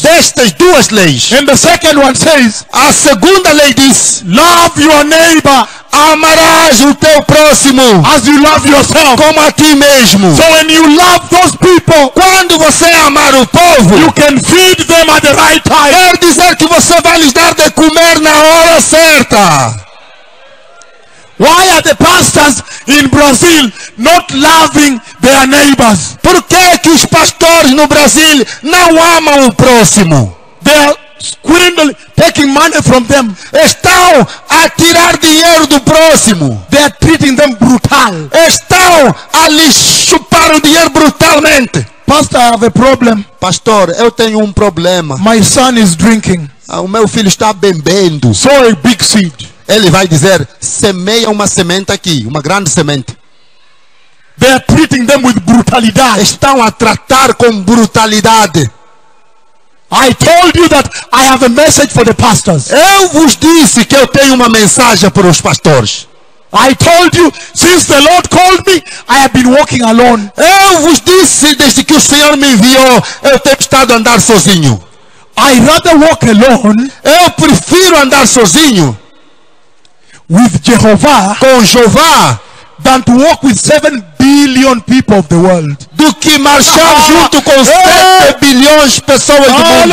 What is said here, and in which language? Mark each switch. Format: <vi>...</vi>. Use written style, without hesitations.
<pt>destas duas leis.</pt> <en>And the second one says,</en> <pt>a segunda lei diz,</pt> <en>love your neighbor,</en> <pt>amarás o teu próximo,</pt> <en>as you love yourself,</en> <pt>como a ti mesmo.</pt> <en>So when you love those people,</en> <pt>quando você amar o povo,</pt> <en>you can feed them at the right time.</en> <pt>Quer dizer que você vai lhes dar de comer na hora certa.</pt> <en>Why are the pastors in Brazil not loving their neighbors?</en> <pt>Por que é que os pastores no Brasil não amam o próximo?</pt> <en>They are squirreling, taking money from them.</en> <pt>Estão a tirar dinheiro do próximo.</pt> <en>They are treating them brutal.</en> <pt>Estão a lhes chupar o dinheiro brutalmente.</pt> <en>Pastor, I have a problem.</en> <pt>Pastor, eu tenho um problema.</pt> <en>My son is drinking.</en> <pt>O meu filho está bebendo.</pt> <en>Sow a big seed.</en> <pt>Ele vai dizer, semeia uma semente aqui, uma grande semente.</pt> <en>They are treating them with brutalidade.</en> <pt>Estão a tratar com brutalidade.</pt> <en>I told you that I have a message for the pastors.</en> <pt>Eu vos disse que eu tenho uma mensagem para os pastores.</pt> <en>I told you, since the Lord called me, I have been walking alone.</en> <pt>Eu vos disse, desde que o Senhor me enviou, eu tenho estado a andar sozinho.</pt> <en>I rather walk alone.</en> <pt>Eu prefiro andar sozinho</pt> <en>with Jehovah,</en> <pt>com Jeová,</pt> <en>than to walk with 7 billion people of the world.</en> <pt>Do que marchar junto com 7 bilhões de pessoas do mundo.</pt>